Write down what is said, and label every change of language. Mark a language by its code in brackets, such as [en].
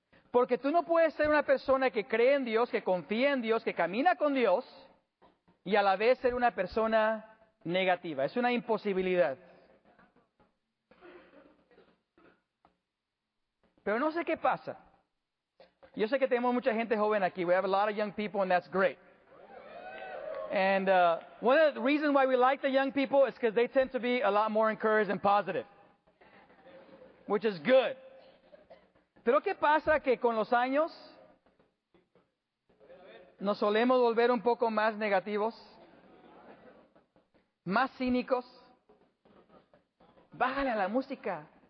[es] Porque tú no puedes ser una persona que cree en Dios, que confía en Dios, que camina con Dios, y a la vez ser una persona negativa. Es una imposibilidad. Pero no sé qué pasa. Yo sé que tenemos mucha gente joven aquí. [en] We have a lot of young people and that's great. And one of the reasons why we like the young people is because they tend to be a lot more encouraged and positive. Which is good. [es] Pero ¿qué pasa que con los años nos solemos volver un poco más negativos? Más cínicos. Bájale a la música.